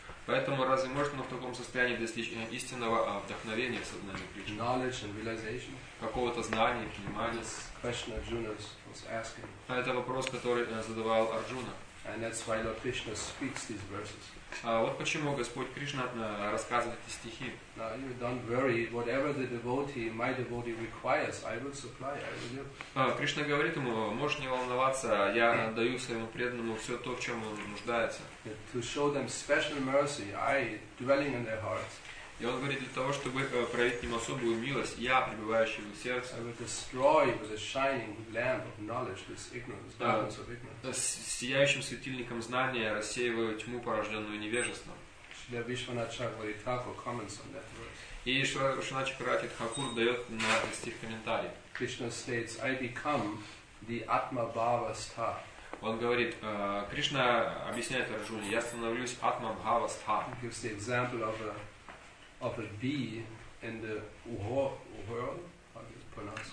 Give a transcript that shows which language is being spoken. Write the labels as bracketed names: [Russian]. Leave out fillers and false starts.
[Russian] Поэтому разве можно в таком состоянии достичь истинного вдохновения сознания Кришны? [English] Knowledge and realization. [Russian] Какого-то знания, понимания. [English] Question Arjuna was asking. [Russian] А это вопрос, который задавал Арджуна. [English] And that's why Lord Krishna speaks these verses. [Russian] А вот почему Господь Кришна рассказывает эти стихи. [English] Now, don't worry, whatever the devotee, my devotee requires, I will supply, I will give. [Russian] Кришна говорит ему, можешь не волноваться, я даю своему преданному все то, в чем он нуждается. [English] To show them special mercy, I dwelling in their hearts. [Russian] И он говорит для того, чтобы проявить им особую милость, я, пребывающий в их сердце. [English] I will destroy with a shining lamp of knowledge this ignorance, darkness of ignorance. [Russian] С сияющим светильником знания рассеиваю тьму, порожденную невежеством. [English] Shrila Vishwanath Chakravarti comments on that verse. [Russian] И Шрила Вишванат Чакравати Тхакур дает на стих комментарий. [English] Krishna states, I become the Atma Bhava Stha. [Russian] Он говорит, Кришна объясняет Арджуне, я становлюсь Атма Бхава Стха. [English] Gives the example of a bee in the whorl, how do you pronounce it?